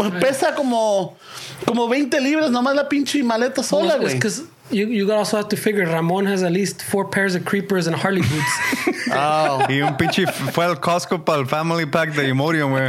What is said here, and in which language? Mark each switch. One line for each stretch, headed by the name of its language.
Spanish: Pesa como 20 libras, nomás la pinche maleta sola, güey.
English: You also have to figure Ramon has at least 4 pairs of creepers and Harley boots. Oh.
Spanish: Y un pinche fue al Costco para el family pack de Imodium, güey.